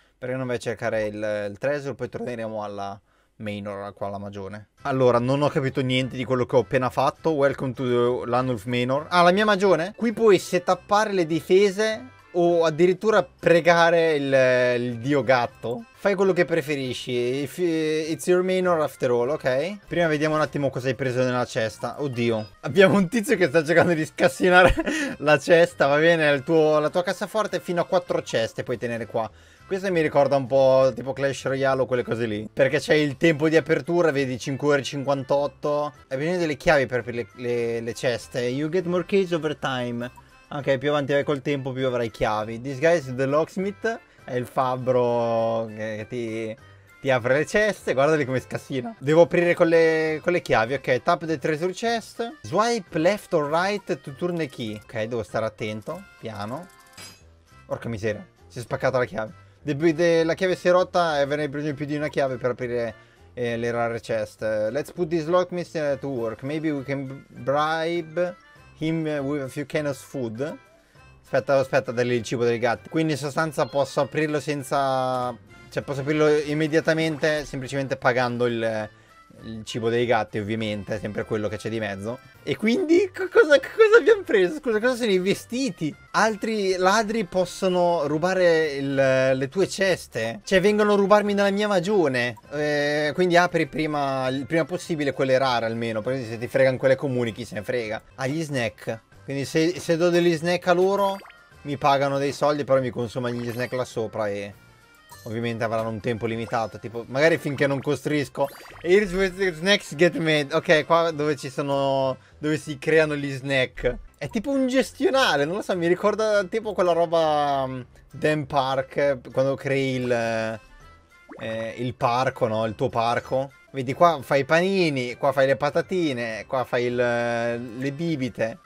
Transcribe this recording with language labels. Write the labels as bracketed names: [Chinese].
[Italian] Perché non vai a cercare il treasure, poi torneremo alla Manor, qua alla magione. Allora, non ho capito niente di quello che ho appena fatto. [English] Welcome to Llanuwf Manor. [Italian] Ah, la mia magione? Qui puoi setappare le difese o addirittura pregare il dio gatto. Fai quello che preferisci. [English] It's your Manor after all, ok? [Italian] Prima vediamo un attimo cosa hai preso nella cesta. Oddio. Abbiamo un tizio che sta cercando di scassinare la cesta, va bene? La tua cassaforte è fino a 4 ceste puoi tenere qua. Questo mi ricorda un po' tipo Clash Royale o quelle cose lì. Perché c'è il tempo di apertura, vedi 5 ore 58. Hai bisogno delle chiavi per aprire le ceste. [English] You get more keys over time. [Italian] Ok, più avanti vai col tempo, più avrai chiavi. [English] This guy is the locksmith. [Italian] È il fabbro che ti apre le ceste, guardali come scassina. Devo aprire con le chiavi, ok. [English] Tap the treasure chest. Swipe left or right to turn the key. [Italian] Ok, devo stare attento, piano. Orca miseria, si è spaccata la chiave. La chiave si è rotta e avrei bisogno di più di una chiave per aprire le rare chest. [English] Let's put this lock mystery to work. Maybe we can bribe him with a few cans of food. [Italian] Aspetta, dargli il cibo del gatto. Quindi in sostanza posso aprirlo senza. Cioè, posso aprirlo immediatamente, semplicemente pagando il cibo dei gatti, ovviamente, sempre quello che c'è di mezzo. E quindi cosa abbiamo preso? Scusa, cosa sono i vestiti? Altri ladri possono rubare le tue ceste? Cioè, vengono a rubarmi nella mia magione. Quindi apri il prima possibile quelle rare almeno. Perché se ti fregano quelle comuni, chi se ne frega? Gli snack. Quindi se do degli snack a loro, mi pagano dei soldi, però mi consumano gli snack là sopra e ovviamente avranno un tempo limitato, tipo magari finché non costruisco. [English] Here's where the snacks get made. [Italian] Ok, qua dove si creano gli snack. È tipo un gestionale, non lo so, mi ricorda tipo quella roba Dan Park, quando crei il parco, no? Il tuo parco. Vedi, qua fai i panini, qua fai le patatine, qua fai le bibite.